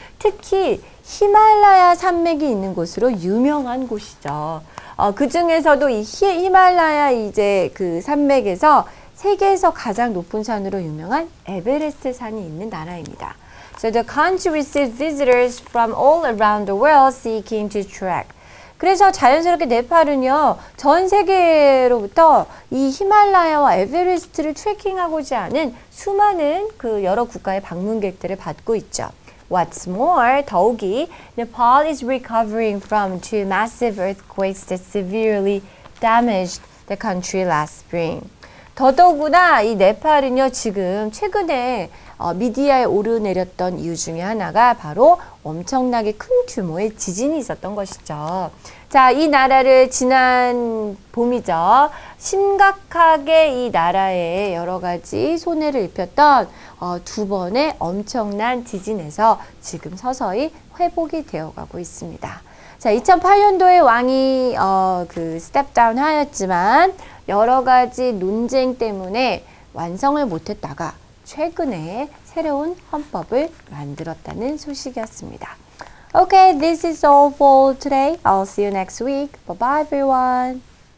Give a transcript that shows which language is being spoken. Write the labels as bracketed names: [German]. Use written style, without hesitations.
[Korean] 특히 히말라야 산맥이 있는 곳으로 유명한 곳이죠. 그 중에서도 이 히말라야 이제 그 산맥에서 세계에서 가장 높은 산으로 유명한 에베레스트 산이 있는 나라입니다. [English] So the country received visitors from all around the world seeking to trek. [Korean] 그래서 자연스럽게 네팔은요, 전 세계로부터 이 히말라야와 에베레스트를 트레킹하고자 하는 수많은 그 여러 국가의 방문객들을 받고 있죠. [English] What's more, 더욱이 Nepal is recovering from two massive earthquakes that severely damaged the country last spring. [Korean] 더더구나 이 네팔은요, 지금 최근에 미디어에 오르내렸던 이유 중에 하나가 바로 엄청나게 큰 규모의 지진이 있었던 것이죠. 자, 이 나라를 지난 봄이죠. 심각하게 이 나라에 여러 가지 손해를 입혔던 두 번의 엄청난 지진에서 지금 서서히 회복이 되어가고 있습니다. 자, 2008년도에 왕이 스텝다운 하였지만 여러 가지 논쟁 때문에 완성을 못했다가 최근에 새로운 헌법을 만들었다는 소식이었습니다. [English] Okay, this is all for today. I'll see you next week. Bye-bye, everyone.